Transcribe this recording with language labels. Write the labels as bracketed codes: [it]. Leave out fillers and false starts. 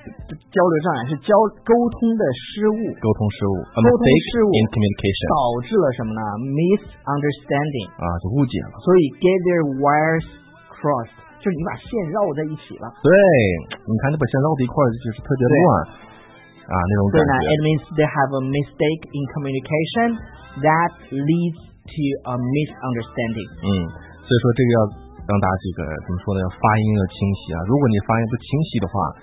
[zh] 交流障碍是沟通的失误。沟通失误。沟通失误。 [en] In communication [zh] 导致了什么呢 ？Misunderstanding 啊，就误解了。所以 [en] get their wires crossed [zh] 就是你把线绕在一起了。对，你看你把线绕在一块就是特别乱啊，那种感觉。 [en] 对呢 ，it means they have a mistake in communication that leads。 To a misunderstanding。 [zh] 所以说这个要让大家这个怎么说呢？要发音要清晰啊。如果你发音不清晰的话，